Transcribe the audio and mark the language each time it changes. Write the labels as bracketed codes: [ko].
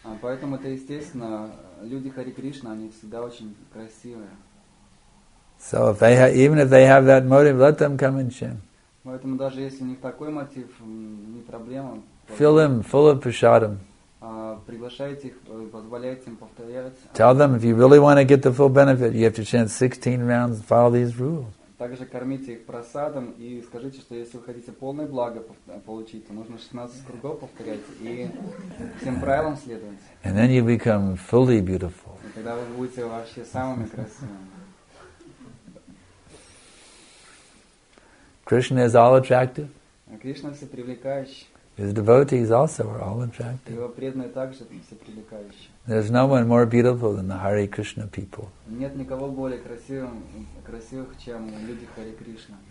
[ru] Поэтому это естественно. Люди Хари Кришна, они всегда очень красивые. [en] So if they even if they have that motive, let them come and chant. [ru] Поэтому даже если у них такой мотив, не проблема. [en] Fill them full of prasadam. [ru] Приглашайте их, позволяйте им повторять. [en] Tell them if you really want to get the full benefit, you have to chant 16 rounds, follow these rules. [ru] Также кормите их просадом и скажите, что если вы хотите полное благо получить, то нужно 16 кругов повторять и всем правилам следовать. [en] And then you become fully beautiful. [ru] И тогда вы будете вообще самыми красивыми. [en] Krishna is all attractive. [ru] Кришна все привлекающий. [en] His devotees also are all attractive. [ru] Его преданные также все привлекающие. [en] There's no one more beautiful than the Hare Krishna people. [ru] Нет никого более красивых, чем люди Хари Кришна.